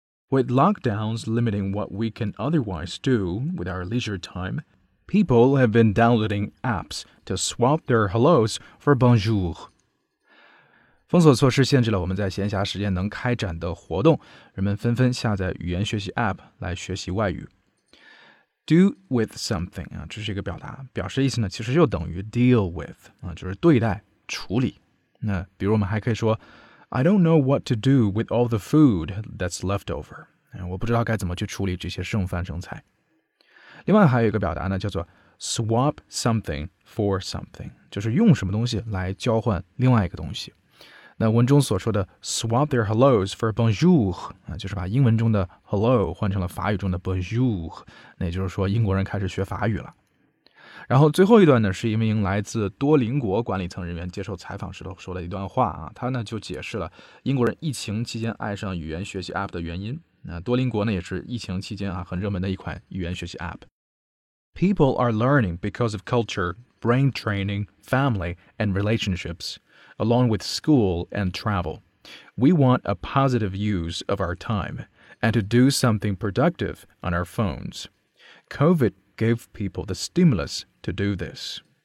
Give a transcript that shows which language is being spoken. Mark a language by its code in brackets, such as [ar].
[en] With lockdowns limiting what we can otherwise do with our leisure time people have been downloading apps to swap their hellos for bonjour [zh] 封锁措施限制了我们在闲暇时间能开展的活动人们纷纷下载语言学习 APP 来学习外语 [en] Do with something、 [zh] 这是一个表达表示意思呢其实就等于 deal with、就是对待处理那比如我们还可以说 [en] I don't know what to do with all the food that's left over、 [zh] 我不知道该怎么去处理这些剩饭剩菜另外还有一个表达呢叫做 [en] swap something for something [zh] 就是用什么东西来交换另外一个东西那文中所说的 [en] swap their hellos for bonjour、 [zh] 就是把英文中的 hello 换成了法语中的 bonjour， 那也就是说英国人开始学法语了。然后最后一段呢，是一名来自多邻国管理层人员接受采访时候说了一段话、他呢就解释了英国人疫情期间爱上语言学习 app 的原因。那多邻国呢也是疫情期间、很热门的一款语言学习 app。 [en] People are learning because of culture, brain training, family and relationshipsalong with school and travel. We want a positive use of our time and to do something productive on our phones. COVID gave people the stimulus to do this.